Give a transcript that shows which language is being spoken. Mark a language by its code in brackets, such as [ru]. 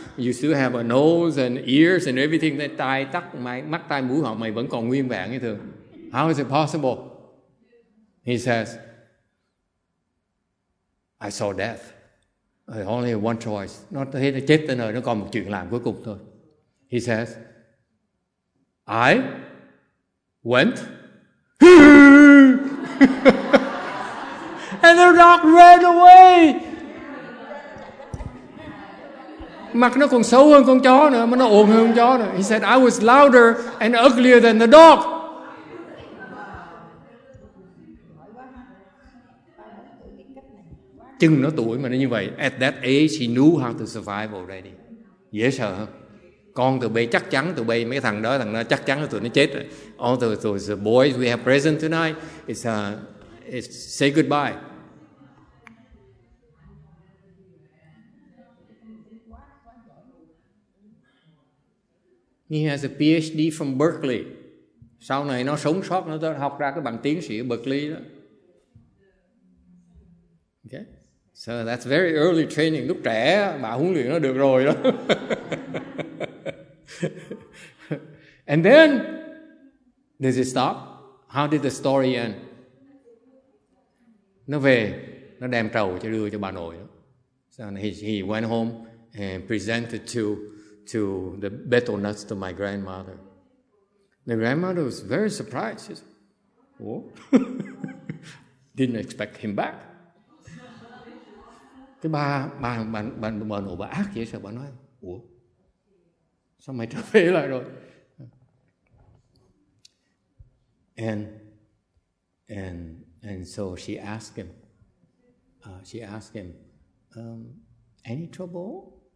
[en] You still have a nose and ears and everything. [vi] Tai tắc mày, mắt tai mũi họng mày vẫn còn nguyên vẹn như thường. [en] How is it possible? He says, I saw death. I only have one choice. [vi] Nó thấy nó chết tới nơi, nó còn một chuyện làm cuối cùng thôi. [en] He says, I went and the dog ran away. [vi] Mặt nó còn xấu hơn con chó nữa, mà nó ồn hơn con chó nữa. [en] He said, I was louder and uglier than the dog. [vi] Chừng nó tuổi mà nó như vậy. [en] At that age, he knew how to survive already. [vi] Dễ sợ không? Con tụi bay chắc chắn, tụi bay mấy thằng đó, thằng nó chắc chắn là tụi nó chết rồi. [en] All the boys we have present tonight, it's say goodbye. He has a PhD from Berkeley. [vi] Sau này nó sống sót, nó học ra cái bằng tiến sĩ ở Berkeley đó. [en] Okay? So that's very early training. [vi] Lúc trẻ mà huấn luyện nó được rồi đó. [en] And then, does it stop? How did the story end? [vi] Nó về, nó đem trầu cho đưa cho bà nội đó. [en] So he went home and presented to the betel nuts to my grandmother. The grandmother was very surprised. She said, oh. Didn't expect him back. [vi] Cái bà nội bà ác vậy sao, bà nói, ủa, sao mày trở về lại rồi? [en] And so she asked him, any trouble?